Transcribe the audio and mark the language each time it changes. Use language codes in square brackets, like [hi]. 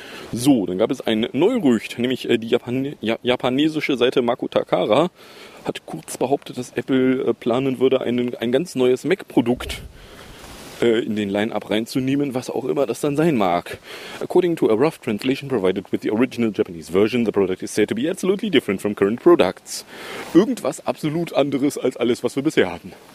[de] So, dann gab es ein Neurücht, nämlich die japanesische Seite Mako Takara hat kurz behauptet, dass Apple planen würde, ein ganz neues Mac-Produkt in den Line-Up reinzunehmen, was auch immer das dann sein mag. [en] According to a rough translation provided with the original Japanese version, the product is said to be absolutely different from current products. [de] Irgendwas absolut anderes als alles, was wir bisher hatten.